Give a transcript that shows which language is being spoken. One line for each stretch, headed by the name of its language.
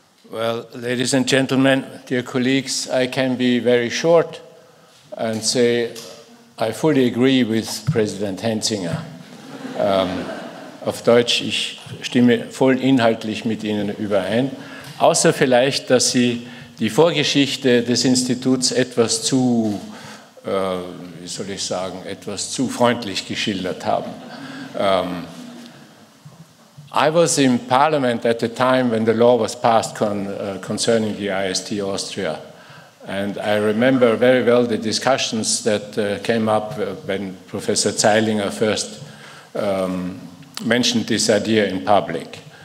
English: Well, ladies and gentlemen, dear colleagues, I can be very short and say I fully agree with President Hensinger.
German: Auf Deutsch, ich stimme voll inhaltlich mit Ihnen überein, außer vielleicht, dass Sie die Vorgeschichte des Instituts etwas zu, wie soll ich sagen, etwas zu freundlich geschildert haben.
English: I was in Parliament at the time when the law was passed concerning the IST Austria. And I remember very well the discussions that came up when Professor Zeilinger first mentioned this idea in public.